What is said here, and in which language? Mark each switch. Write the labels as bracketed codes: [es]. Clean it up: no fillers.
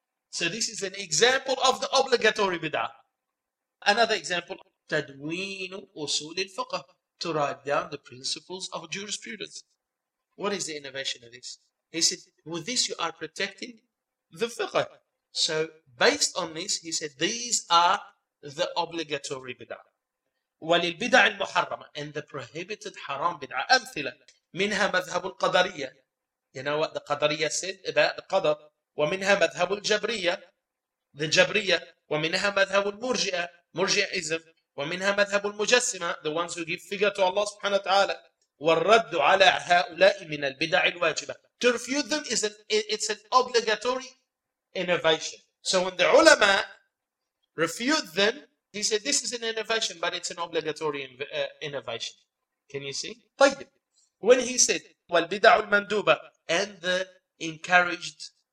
[en] So this is an example of the obligatory bid'ah. Another example, [ar] تدوين أصول الفقه, [en] to write down the principles of jurisprudence. What is the innovation of this? He said, with this you are protecting the fiqh. So based on this, he said, these are the obligatory bid'ah. [ar] وللبدع المحرمة [en] and the prohibited haram bid'ah. [ar] أمثلة منها مذهب القدرية. [en] You know what the Qadariya said about the Qadar? [ar] ومنها مذهب الجبرية [en] the جبرية [ar] ومنها مذهب المرجئة [en] مرجئيزم [ar] ومنها مذهب المجسمة [en] the ones who give figure to Allah [ar] سبحانه وتعالى والرد على هؤلاء من البدع الواجبة [en] to refute them is an it's an obligatory innovation so when the ulama refute them he said this is an innovation but it's an obligatory innovation can you see طيب when he said [ar] والبدع المندوبة [en] and the encouraged